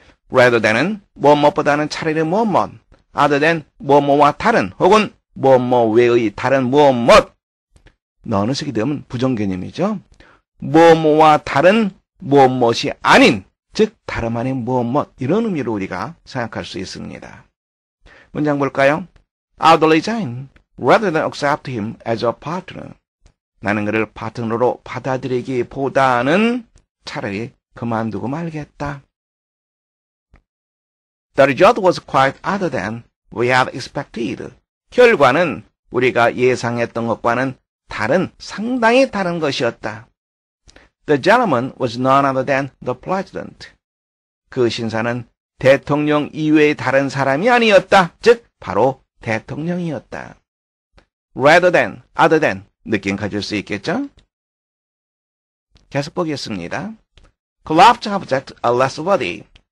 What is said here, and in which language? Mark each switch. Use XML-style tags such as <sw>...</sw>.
<ko>rather than은 무엇보다는 차라리 무엇, other than 무엇과 다른 혹은 무엇 외의 다른 무엇. 너는 쓰게 되면 부정 개념이죠. 무엇과 다른 무엇이 아닌, 즉 다름 아닌 무엇, 이런 의미로 우리가 생각할 수 있습니다. 문장 볼까요?</ko> <en>I'll resign rather than accept him as a partner.</en> <ko>나는 그를 파트너로 받아들이기보다는 차라리 그만두고 말겠다.</ko> <en>The result was quite other than we had expected.</en> <ko>결과는 우리가 예상했던 것과는 다른, 상당히 다른 것이었다.</ko> <en>The gentleman was none other than the president.</en> <ko>그 신사는 대통령 이외의 다른 사람이 아니었다. 즉, 바로 대통령이었다. Rather than, other than 느낌 가질 수 있겠죠? 계속 보겠습니다.</ko> <en>Collapsed object, a less body.</en>